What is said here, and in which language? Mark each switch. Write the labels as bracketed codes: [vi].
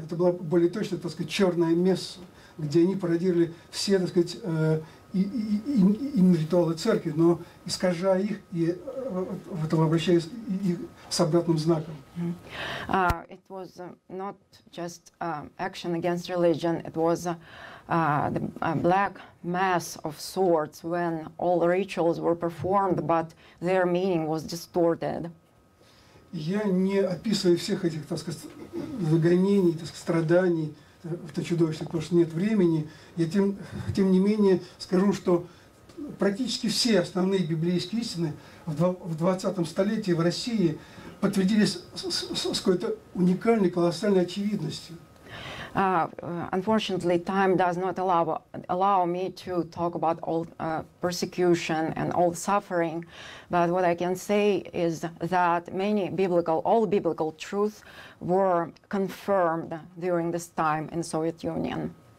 [ru] Это было более точно, так сказать, черное месса, где они пародировали все, так сказать, ритуалы церкви, но искажая их и в этом обращаясь их с обратным знаком. [en] It was not just action against religion, it was the black mass of sorts when all rituals were performed, but their meaning was distorted. [ru] Я не описываю всех этих, так сказать, выгонений, так сказать, страданий, это чудовищно, потому что нет времени. Я тем не менее скажу, что практически все основные библейские истины в 20-м столетии в России подтвердились с какой-то уникальной, колоссальной очевидностью. [en] Unfortunately, time does not allow me to talk about all persecution and all suffering, but what I can say is that all biblical truths were confirmed during this time in Soviet Union.